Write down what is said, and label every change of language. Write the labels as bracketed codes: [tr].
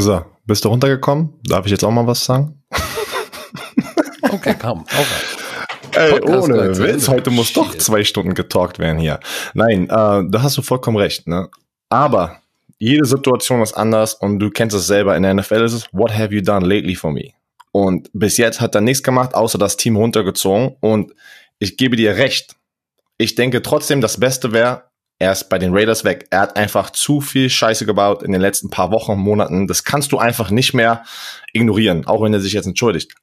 [de] So, bist du runtergekommen? Darf ich jetzt auch mal was sagen? Okay, komm, auch rein. Ey, ohne Witz, heute muss doch 2 Stunden getalkt werden hier. Nein, da hast du vollkommen recht, ne? Aber jede Situation ist anders und du kennst es selber. In der NFL ist es, [en] what have you done lately for me? [de] Und bis jetzt hat er nichts gemacht, außer das Team runtergezogen. Und ich gebe dir recht. Ich denke trotzdem, das Beste wäre, er ist bei den Raiders weg. Er hat einfach zu viel Scheiße gebaut in den letzten paar Wochen, Monaten. Das kannst du einfach nicht mehr ignorieren, auch wenn er sich jetzt entschuldigt.